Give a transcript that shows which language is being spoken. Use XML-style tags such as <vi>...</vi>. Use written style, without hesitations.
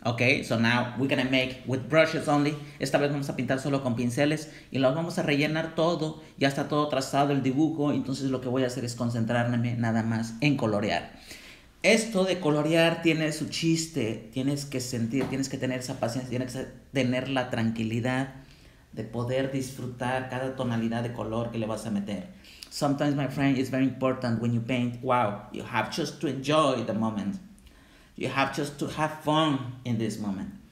<en>Okay, so now we're gonna make with brushes only.</en> <es>Esta vez vamos a pintar solo con pinceles y lo vamos a rellenar todo. Ya está todo trazado el dibujo, entonces lo que voy a hacer es concentrarme nada más en colorear. Esto de colorear tiene su chiste. Tienes que sentir, tienes que tener esa paciencia, tienes que tener la tranquilidad de poder disfrutar cada tonalidad de color que le vas a meter.</es> <en>Sometimes, my friend, it's very important when you paint. Wow, you have just to enjoy the moment. You have just to have fun in this moment.</en>